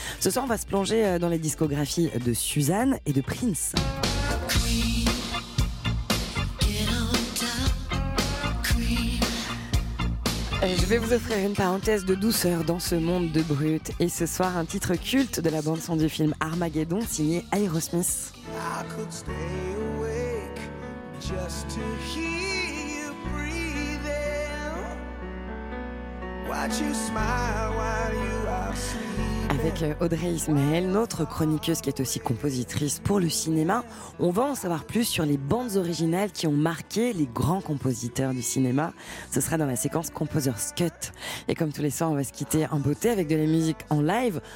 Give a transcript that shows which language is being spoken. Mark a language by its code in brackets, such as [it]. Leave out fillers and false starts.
[fr] Ce soir, on va se plonger dans les discographies de Suzanne et de Prince. Je vais vous offrir une parenthèse de douceur dans ce monde de brut. Et ce soir, un titre culte de la bande-son du film Armageddon, signé Aerosmith. [en] I could stay awake just to hear you breathing. Watch you smile while you are sleeping. [fr] Avec Audrey Ismaël, notre chroniqueuse qui est aussi compositrice pour le cinéma, on va en savoir plus sur les bandes originales qui ont marqué les grands compositeurs du cinéma. Ce sera dans la séquence Composer's Cut. Et comme tous les soirs, on va se quitter en beauté avec de la musique en live.